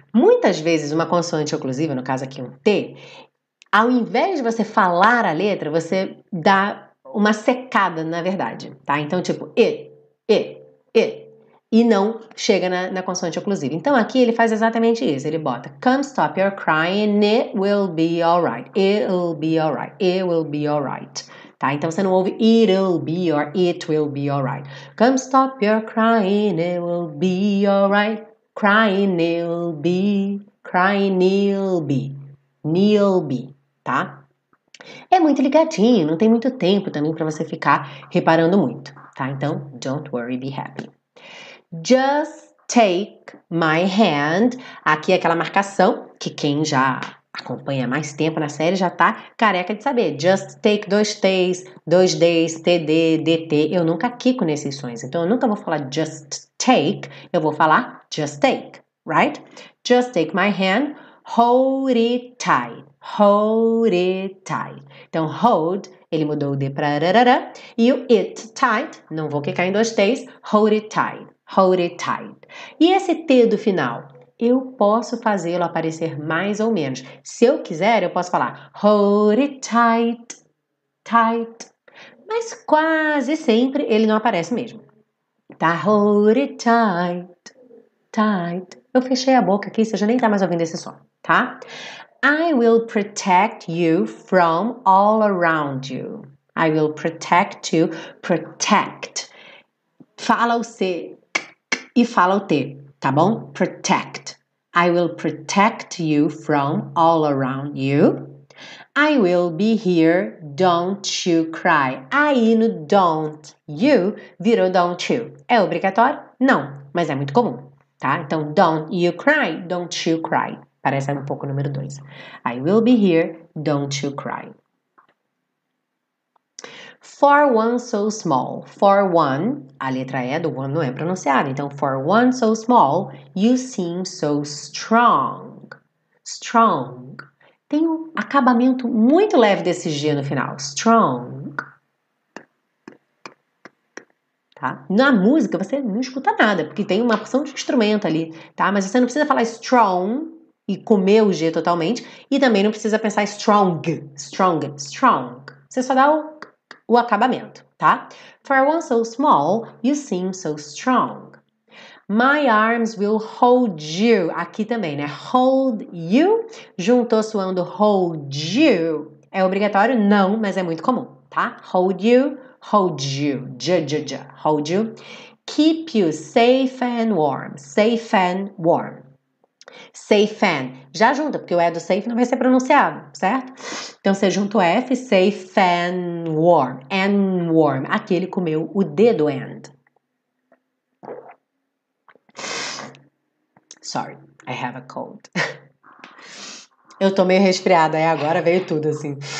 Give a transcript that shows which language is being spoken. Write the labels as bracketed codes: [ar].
[pt] Muitas vezes, uma consoante oclusiva, no caso aqui um T, ao invés de você falar a letra, você dá uma secada, na verdade, tá? Então, tipo, it. E não chega na consoante oclusiva. Então aqui ele faz exatamente isso. Ele bota [en] "Come stop your crying, it will be alright. It'll be alright. It will be alright." Tá? [pt] Então você não ouve [en] "it'll be" or "it will be alright." "Come stop your crying, it will be alright. Crying, it'll be. Crying, it'll be. It'll be." Tá? [pt] É muito ligadinho, não tem muito tempo também para você ficar reparando muito, tá? [en] Então, don't worry, be happy. Just take my hand. [pt] Aqui é aquela marcação que quem já acompanha mais tempo na série já tá careca de saber. [en] Just take [pt] dois T's, dois D's, TD, DT. Eu nunca quico nesses sons, então eu nunca vou falar [en] just take, [pt] eu vou falar just take, right? [en] Just take my hand, hold it tight, hold it tight. [pt] Então, hold, ele mudou o D pra rarara, e o it tight, não vou quicar em dois T's, [en] hold it tight. Hold it tight. [pt] E esse T do final? Eu posso fazê-lo aparecer mais ou menos. Se eu quiser, eu posso falar [en] hold it tight, tight. [pt] Mas quase sempre ele não aparece mesmo. Tá? [en] Hold it tight, tight. [pt] Eu fechei a boca aqui, você já nem tá mais ouvindo esse som, tá? [en] I will protect you from all around you. I will protect you, protect. [pt] Fala o C. E fala o T, tá bom? [en] Protect. I will protect you from all around you. I will be here, don't you cry. [pt] Aí no don't you virou don't you. É obrigatório? Não, mas é muito comum, tá? Então, [en] don't you cry, don't you cry. [pt] Parece um pouco o número 2. [en] I will be here, don't you cry. For one so small, for one, [pt] a letra E do one não é pronunciada. [en] Então, for one so small, you seem so strong. Strong. [pt] Tem um acabamento muito leve desse G no final. Strong. Tá? Na música você não escuta nada, porque tem uma porção de instrumento ali, tá? Mas você não precisa falar strong e comer o G totalmente. E também não precisa pensar strong, strong, strong. Você só dá o acabamento, tá? [en] For one so small, you seem so strong. My arms will hold you. [pt] Aqui também, né? [en] Hold you. [pt] Juntou soando hold you. É obrigatório? Não, mas é muito comum, tá? [en] Hold you, hold you. J-j-j, hold you. Keep you safe and warm. Safe and warm. Safe and. [pt] Já junta, porque o E do safe não vai ser pronunciado, certo? Então, você junta o F, [en] safe and warm. And warm. [pt] Aqui ele comeu o D do and. [en] Sorry, I have a cold. [pt] Eu tô meio resfriada, aí agora veio tudo, assim.